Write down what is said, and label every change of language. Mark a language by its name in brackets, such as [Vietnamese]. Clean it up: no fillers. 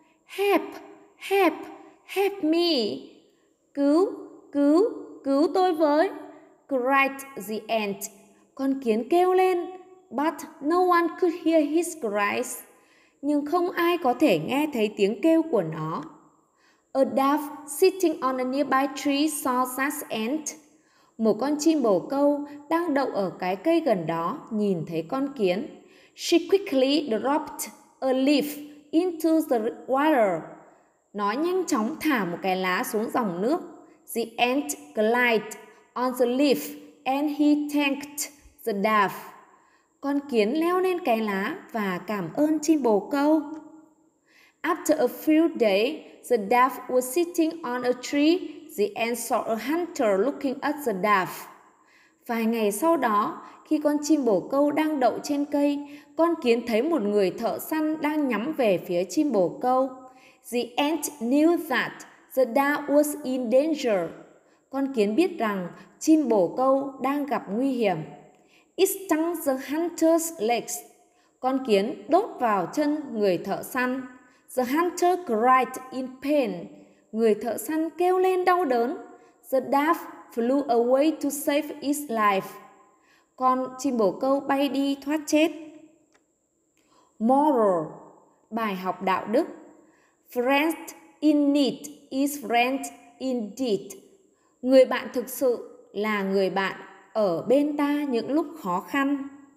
[English] Help! Help! Help me! [Vietnamese] Cứu! Cứu! Cứu tôi với! [English] Cried the ant. [Vietnamese] Con kiến kêu lên. [English] But no one could hear his cries. [Vietnamese] Nhưng không ai có thể nghe thấy tiếng kêu của nó. [English] A dove sitting on a nearby tree saw that ant. [Vietnamese] Một con chim bồ câu đang đậu ở cái cây gần đó nhìn thấy con kiến. [English] She quickly dropped a leaf into the water. [Vietnamese] Nó nhanh chóng thả một cái lá xuống dòng nước. [English] The ant glided on the leaf and he thanked the dove. [Vietnamese] Con kiến leo lên cái lá và cảm ơn chim bồ câu. [English] After a few days, the dove was sitting on a tree. The ant saw a hunter looking at the dove. [Vietnamese] Vài ngày sau đó, khi con chim bồ câu đang đậu trên cây, con kiến thấy một người thợ săn đang nhắm về phía chim bồ câu. [English] The ant knew that the dove was in danger. [Vietnamese] Con kiến biết rằng chim bồ câu đang gặp nguy hiểm. [English] It stung the hunter's legs. [Vietnamese] Con kiến đốt vào chân người thợ săn. [English] The hunter cried in pain. [Vietnamese] Người thợ săn kêu lên đau đớn. The dove flew away to save its life. Con chim bồ câu bay đi thoát chết. Moral. Bài học đạo đức. [English] Friend in need is friend indeed. [Vietnamese] Người bạn thực sự là người bạn ở bên ta những lúc khó khăn.